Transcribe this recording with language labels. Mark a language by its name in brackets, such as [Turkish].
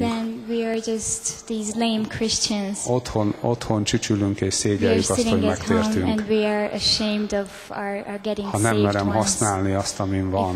[English] Then we are just these lame Christians. [Hungarian] Otthon csücsülünk és szégyelljük azt, hogy megtértünk. [English] And we are ashamed of our getting saved. [Hungarian] Ha nem merem használni azt, amin van.